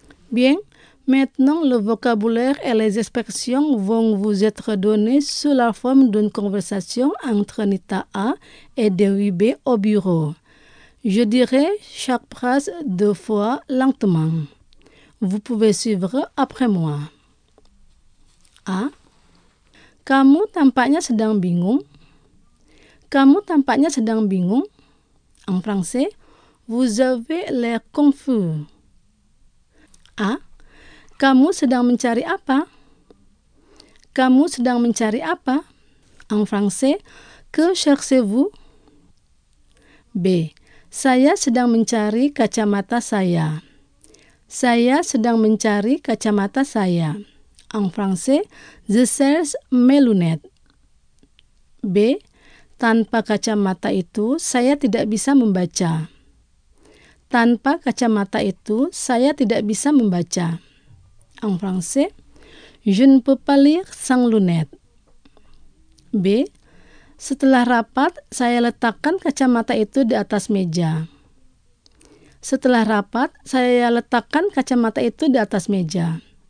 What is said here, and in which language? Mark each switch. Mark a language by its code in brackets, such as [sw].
[fr] Bien, maintenant le vocabulaire et les expressions vont vous être donnés sous la forme d'une conversation entre Nita A et Dewibé au bureau. Je dirai chaque phrase deux fois lentement. Vous pouvez suivre après moi. A. [id] Kamu tampaknya sedang bingung. Kamu tampaknya sedang bingung. [fr] En français, vous avez l'air confus. A. [id] Kamu sedang mencari apa? Kamu sedang mencari apa? [fr] En français, que cherchez-vous? B. [id] Saya sedang mencari kacamata saya. Saya sedang mencari kacamata saya. [fr] En français, je cherche mes lunettes. B. [id] Tanpa kacamata itu, saya tidak bisa membaca. Tanpa kacamata itu, saya tidak bisa membaca. [fr] En français, je ne peux pas lire sans lunettes. [id] B. Setelah rapat, saya letakkan kacamata itu di atas meja. Setelah rapat, saya letakkan kacamata itu di atas meja.